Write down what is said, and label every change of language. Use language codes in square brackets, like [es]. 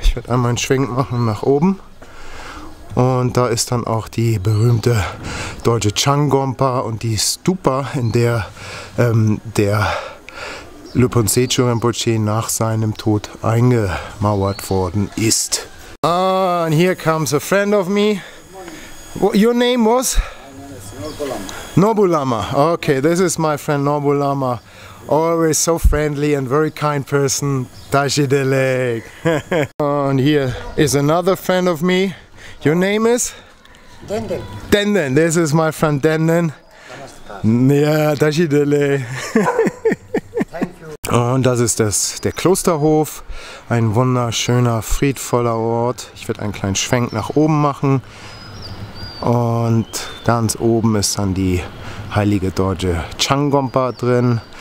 [de] Ich werde einmal einen Schwenk machen nach oben. Und da ist dann auch die berühmte deutsche Changompa und die Stupa, in der der Loponsecho Rinpoche nach seinem Tod eingemauert worden ist. [en] Ah, and here comes a friend of me. Your name was? Nobulama. Okay, this is my friend Nobulama. Always so friendly and very kind person. Tashi de leg. And here is another friend of me. Your name is? Denden. Denden, this is my friend Denden. Yeah, Tashi de leg. [de] Und das ist der Klosterhof, ein wunderschöner, friedvoller Ort. Ich werde einen kleinen Schwenk nach oben machen. Und ganz oben ist dann die heilige deutsche Changompa drin.